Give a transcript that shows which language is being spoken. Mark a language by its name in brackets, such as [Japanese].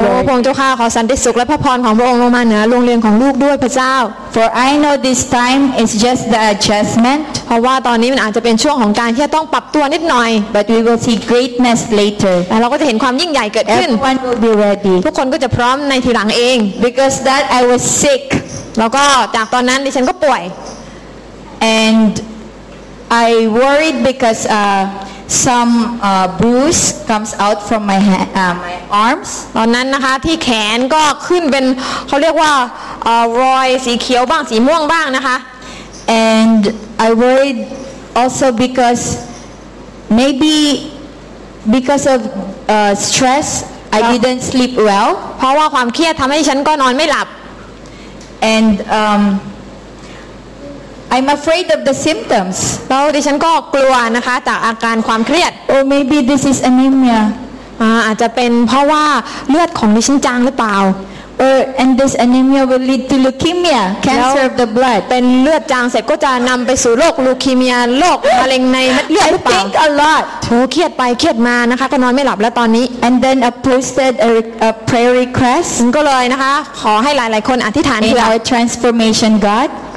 [Thai] โอ้พระองค์เจ้าข้าขอสันติสุขและพระพรของพระองค์ลงมาเหนือโรงเรียนของลูกด้วยพระเจ้า [English] For I know this time is just the adjustment. [Thai] เพราะว่าตอนนี้มันอาจจะเป็นช่วงของการที่ต้องปรับตัวนิดหน่อย [English] But we will see greatness later. [Thai] แต่เราก็จะเห็นความยิ่งใหญ่เกิดขึ้น [English] Everyone will be ready. [Thai] ทุกคนก็จะพร้อมในทีหลังเอง [English] Because that I was sick. [Thai] แล้วก็จากตอนนั้นดิฉันก็ป่วย [English] And I worried becausesome bruise comes out from my my arms [Thai] ตอนนั้นนะคะที่แขนก็ขึ้นเป็นเขาเรียกว่ารอยสีเขียวบ้างสีม่วงบ้างนะคะ [English] and I worried also because maybe because of stress I didn't sleep well [Thai] เพราะว่าความเครียดทำให้ฉันก็นอนไม่หลับ [English] andI'm afraid of the symptoms. [Thai] แล้วดิฉันก็กลัวนะคะจากอาการความเครียด [English] Oh, maybe this is anemia. [Thai] อาจจะเป็นเพราะว่าเลือดของดิฉันจางหรือเปล่า [English] And this anemia will lead to leukemia, cancer of the blood. [Thai] เป็นเลือดจางเสร็จก็จะนำไปสู่โรคลูคีเมียโรคมะเร็งในเม็ดเลือดหรือเปล่า [English] I think a lot. [Thai] โหเครียดไปเครียดมานะคะก็นอนไม่หลับแล้วตอนนี้ [English] And then a prayer request. [Thai] ก็เลยนะคะขอให้หลายๆคนอธิษฐานเพื่อ [English] our transformation, God.